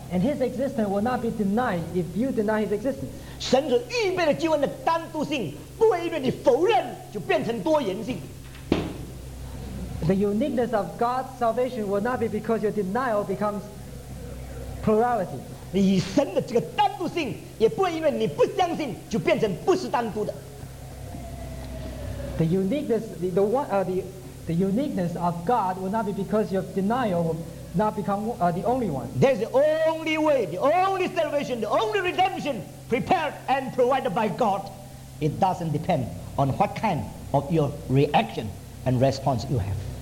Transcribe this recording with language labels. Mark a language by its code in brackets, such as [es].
[en] And His existence will not be denied if you deny His existence. [zh] 神所预备的救恩的单独性不会因为你否认就变成多元性。 [en] The uniqueness of God's salvation will not be because your denial becomes plurality. [zh] 以神的这个单独性也不会因为你不相信就变成不是单独的 [en] the uniqueness, the uniqueness of God will not be because your denial will not become the only one there's the only way the only salvation the only redemption prepared and provided by God It doesn't depend on what kind of your reaction and response you have.